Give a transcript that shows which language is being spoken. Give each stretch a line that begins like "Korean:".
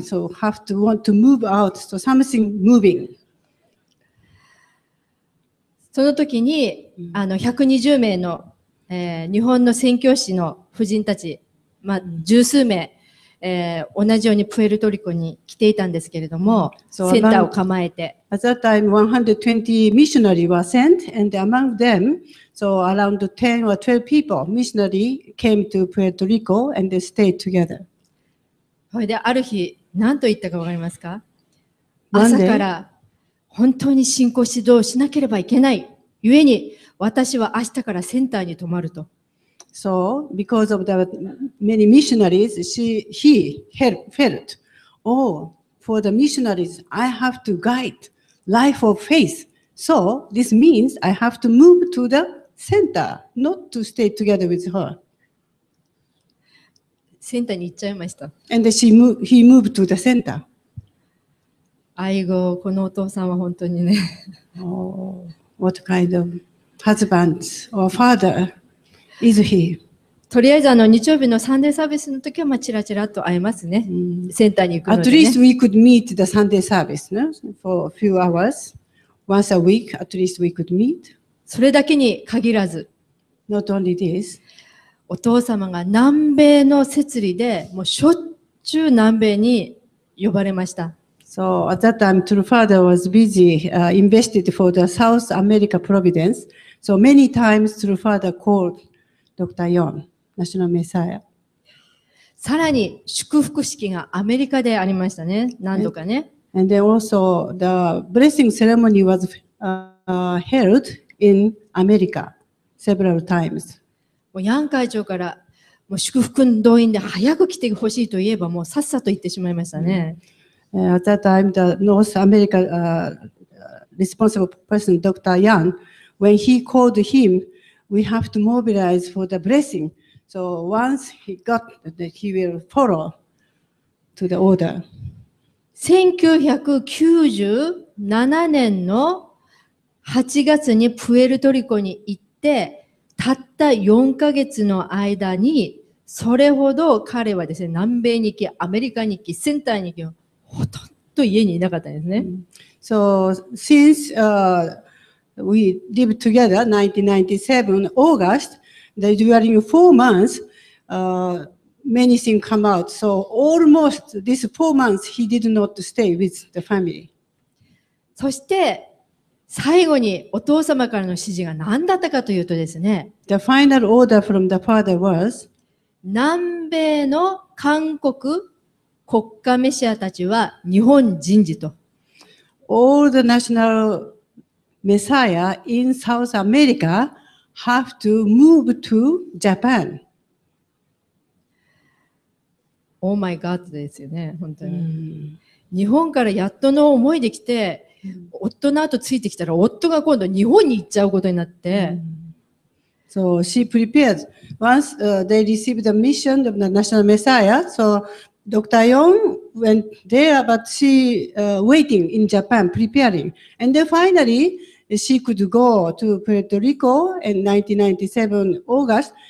English: So have to want to move out. So something moving.
Japanese: その時に120名の、日本の宣教師の婦人たち、まあ、十数名、同じようにプエルトリコに来ていたんですけれども、so、センターを構えて
English: at that time 120 missionary were sent and among them so around 10 or 12 people missionary came to Puerto Rico and they stayed together。
Japanese: それである日何と言ったかわかりますか？朝から本当に信仰指導しなければいけない。故に私は明日からセンターに泊まると。
English: So, because of the many missionaries, he felt, oh, for the missionaries, I have to guide life of faith. So, this means I have to move to the center, not to stay together with her.
Japanese: センターに行っちゃいました。
English: And she moved, he moved to the center.
Japanese: 愛語、このお父さんは本当にね。
English: Oh, what kind of husband or father is he?
Japanese: とりあえず日曜日のサンデーサービスの時はチラチラと会えますね。 Mm. センターに行くのでね。
English: At least we could meet the Sunday service, no? For a few hours. Once a week, at least we could meet.
Japanese: それだけに限らず。
English: Not only this.
Japanese: お父様が南米の摂理で、もうしょっちゅう南米に呼ばれました。
English: So at that time, True Father was busy, invested for the South America Providence. So many times, True Father called Dr. Yon, National Messiah.
Japanese: さらに祝福式がアメリカでありましたね、何度かね。
English: And then also, the blessing ceremony was held in America several times.
Japanese: もうヤン会長からもう祝福動員で早く来てほしいといえば、もうさっさと言ってしまいましたね。 Mm-hmm.
English: At that time, the North America responsible person, Dr. Yan, when he called him, we have to mobilize for the blessing. So once he got that, he will follow to the order.
Japanese: 1997年の8月にプエルトリコに行って、たった4ヶ月の間に、それほど彼はですね、南米に行き、アメリカに行き、センターに行き、ほとんど家にいなかったんですね。
English: So since we live together 1997 August, the during 4 months, many things come out. So almost this 4 months, he did not stay with the family.
Japanese: そして最後にお父様からの指示が何だったかというとですね。
English: The final order from the father was
Japanese: 南米の韓国国家メシアたちは日本人事と。
English: All the national messiah in South America have to move to Japan. Oh my God
Japanese: ですよね、本当に。日本からやっとの思いで来て、夫の後ついてきたら、夫が今度日本に行っちゃうことになって。
English: So she prepared. Once they received the mission of the national messiah, soDr. Yong went there, but she waiting in Japan, preparing. And then finally, she could go to Puerto Rico in 1997 August.